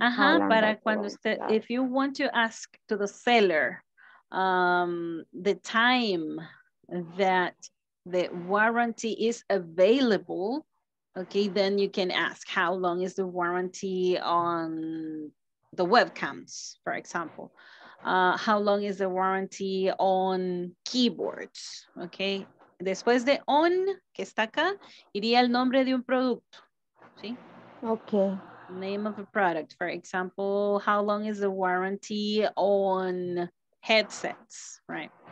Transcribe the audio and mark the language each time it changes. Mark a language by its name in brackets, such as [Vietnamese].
[English] Uh-huh, [Spanish] para cuando usted, [English] if you want to ask to the seller the time that the warranty is available, okay, then you can ask how long is the warranty on the webcams, for example. How long is the warranty on keyboards, okay? [Spanish] Después de on, que está acá, iría el nombre de un producto, ¿sí? [English] Okay. Name of a product. For example, how long is the warranty on headsets, right?